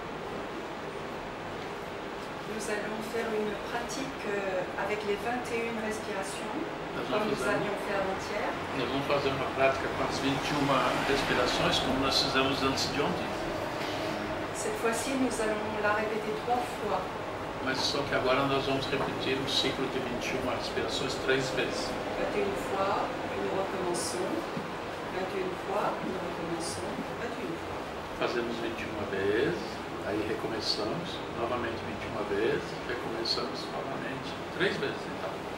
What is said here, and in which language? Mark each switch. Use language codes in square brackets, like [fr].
[fr] Nous allons faire une pratique avec les 21 respirations Nous allons faire une pratique avec 21 respirations comme nous faisons [pt] antes de ontem. [fr] Cette fois-ci, nous allons la répéter trois fois. [pt] Mais só que agora nós vamos repetir o ciclo de 21 respirações três vezes. [fr] 21 fois, nous recommençons. 21 fois, nous recommençons. 21 fois. [pt] Fazemos 21 vezes. Aí recomeçamos, novamente 21 vezes, recomeçamos novamente, três vezes então.